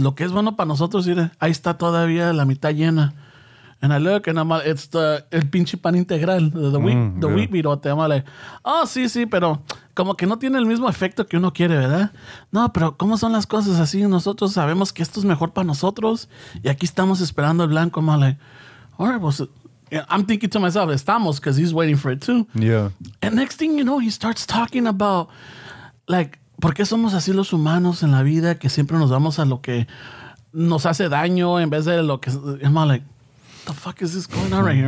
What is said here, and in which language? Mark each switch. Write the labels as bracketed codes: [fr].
[es] Lo que es bueno para nosotros, mire, ahí está todavía la mitad llena. [en] And I look, and I'm like, it's [es] el pinche pan integral, [en] the wheat virote. I'm like, [es] oh, sí, sí, pero como que no tiene el mismo efecto que uno quiere, ¿verdad? No, pero ¿cómo son las cosas así? Nosotros sabemos que esto es mejor para nosotros y aquí estamos esperando el blanco. [en] I'm like, all right, well, so, yeah, I'm thinking to myself, [es] estamos, [en] because he's waiting for it too. Yeah. And next thing you know, he starts talking about, like, [es] ¿por qué somos así los humanos en la vida que siempre nos vamos a lo que nos hace daño en vez de lo que... [en] I'm like, the fuck is this going on right here?